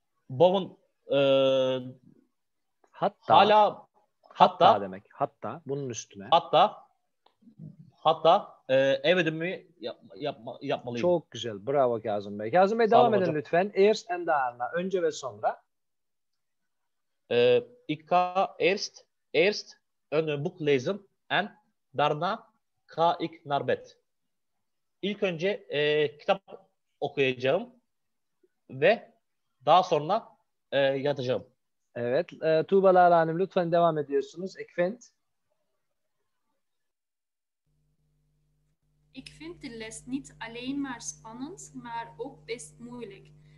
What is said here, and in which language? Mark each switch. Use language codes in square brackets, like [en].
[tr] Bovun hatta hala hatta demek. Hatta bunun üstüne. Hatta ev ödümü yapmalıyım. Çok güzel. Bravo Kazım Bey. Kazım Bey devam edin lütfen. [nl] Erst en daarna. [tr] Önce ve sonra. [nl] Ik ga eerst een boek lezen en daarna ga ik naar bed. [tr] İlk önce kitap okuyacağım ve daha sonra yatacağım. Evet. Tuğba Lala Hanım lütfen devam ediyorsunuz. [nl] Ik vind. Ik vind de les niet alleen maar spannend, maar ook best moeilijk.